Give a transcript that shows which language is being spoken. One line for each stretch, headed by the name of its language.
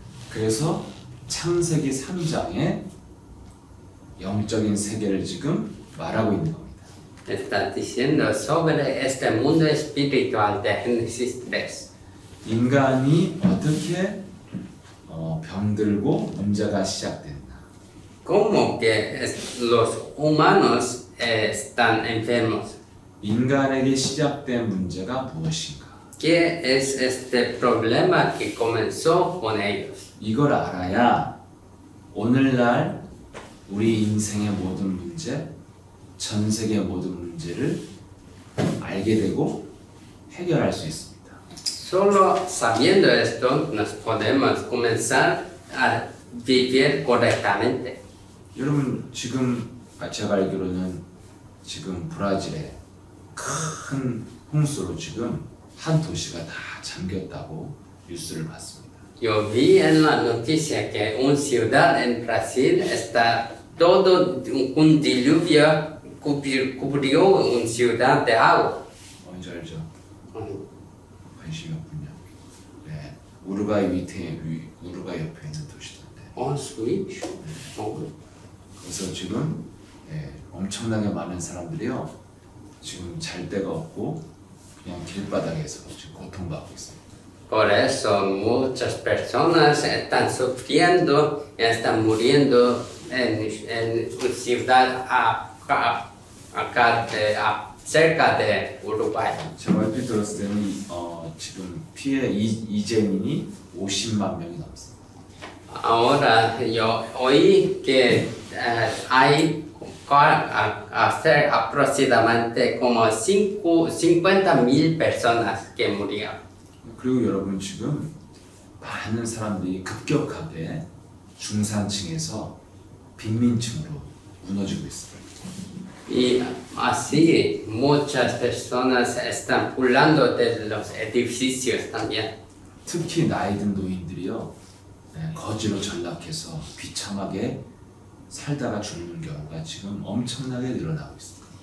Korean: 그래서 창세기 3장의 영적인 세계를 지금 말하고 있는 겁니다.
Spanish: Está diciendo sobre este mundo espiritual de Génesis 3.
Korean: 인간이 어떻게 병들고 문제가 시작됐나?
Spanish: Como que los humanos están enfermos.
Korean: 인간에게 시작된 문제가 무엇인가?
Spanish: ¿Qué es este problema que comenzó con ellos?
Korean: 이걸 알아야 오늘날 우리 인생의 모든 문제, 전 세계 모든 문제를 알게 되고 해결할 수 있습니다.
Spanish: Solo sabiendo esto nos podemos comenzar a vivir correctamente.
Korean: 여러분 지금 제가 알기로는 지금 브라질에 큰 홍수로 지금 한 도시가 다 잠겼다고 뉴스를 봤습니다.
Spanish: Yo vi en la noticia que un ciudad en Brasil está todo un diluvio cubrió un ciudad de agua.
Korean: 뭔지 알죠? 관심이 없군요. 네, 우루과이 밑에 우루과이 옆에 있는 도시던데. 스위치. 그래서 지금 네, 엄청나게 많은 사람들이요. 지금 잘 데가 없고 그냥 길바닥에서 지금 고통받고 있습니다.
Spanish: Por eso muchas personas están sufriendo y están muriendo en ciudad acá de cerca de Uruguay.
Korean: 제가 얼핏 들었을 때는 지금 피해 이재민이 50만 명이 넘습니다.
Spanish: Ahora yo oí que hay hacer aproximadamente como 50.000 personas que murieron.
Korean: 그리고 여러분 지금 많은 사람들이 급격하게 중산층에서 빈민층으로 무너지고 있습니다.
Spanish: Y así muchas personas están pulando de los edificios también.
Korean: 특히 나이 든 노인들이요, 네, 거지로 전락해서 비참하게 살다가 죽는 경우가 지금 엄청나게 늘어나고 있습니다.